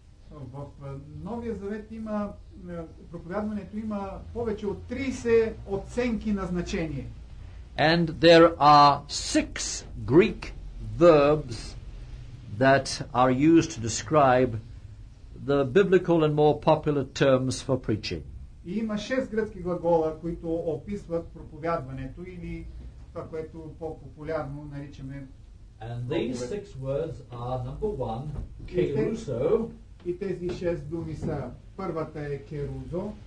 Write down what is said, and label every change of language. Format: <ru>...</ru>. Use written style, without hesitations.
<bg>В Новия Завет има проповядването има повече от 30 оценки на значение.</bg> <en>And there are 6 Greek verbs that are used to describe the biblical and more popular terms for preaching.</en> <bg>И има 6 гръцки глагола, които описват проповядването или това, което по-популярно наричаме.</bg> <en>And these 6 words are number 1, keruso.</en> <bg>И тези 6 думи са. Първата е keruso.</bg>